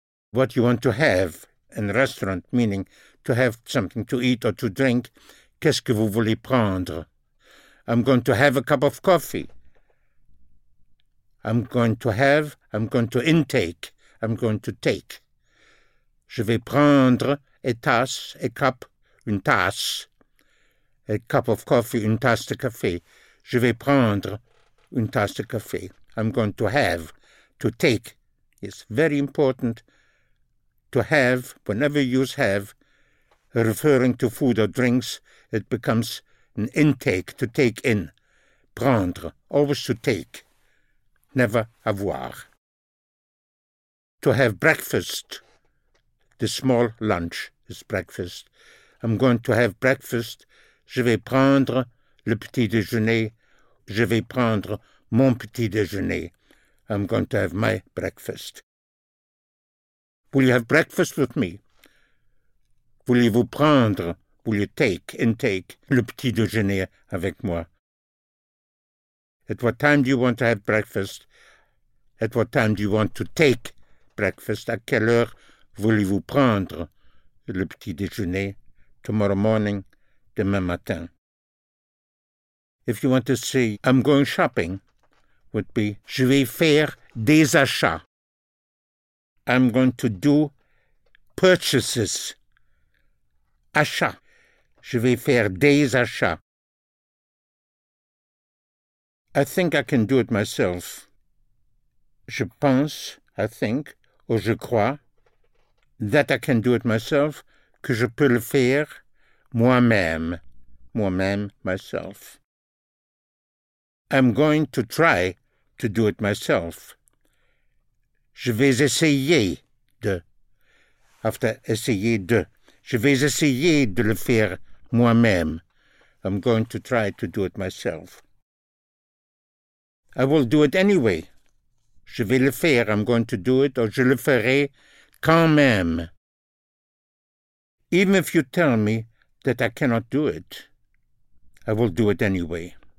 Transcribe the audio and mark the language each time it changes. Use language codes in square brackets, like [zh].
[en] What you want to have in a restaurant, meaning to have something to eat or to drink, [fr] qu'est-ce que vous voulez prendre? [en] I'm going to have a cup of coffee. I'm going to have, I'm going to intake, I'm going to take. [fr] Je vais prendre a tasse, [en] a cup, [fr] une tasse. [en] A cup of coffee, [fr] une tasse de café. Je vais prendre une tasse de café. [en] I'm going to have, to take. It's very important to have, whenever you use have, referring to food or drinks, it becomes an intake, to take in. Prendre, always to take, never avoir. To have breakfast. The small lunch is breakfast. I'm going to have breakfast. [fr] Je vais prendre le petit déjeuner. Je vais prendre mon petit déjeuner. [en] I'm going to have my breakfast. Will you have breakfast with me? [fr] Voulez-vous prendre, [en] will you take, intake, [fr] le petit déjeuner avec moi? [en] At what time do you want to have breakfast? At what time do you want to take breakfast? [fr] À quelle heure voulez-vous prendre le petit déjeuner? [en] Tomorrow morning, [fr] demain matin. [en] If you want to say, I'm going shopping, would be, [fr] je vais faire des achats. [en] I'm going to do purchases. [fr] Achat. Je vais faire des achats. [en] I think I can do it myself. [fr] Je pense, [en] I think, [fr] ou je crois, [en] that I can do it myself, [fr] que je peux le faire moi-même. Moi-même, myself. [en] I'm going to try to do it myself. [fr] Je vais essayer de. After essayer de. Je vais essayer de le faire moi-même. [en] I'm going to try to do it myself. I will do it anyway. [fr] Je vais le faire. [en] I'm going to do it. Or [fr] je le ferai quand même. [en] Even if you tell me that I cannot do it, I will do it anyway.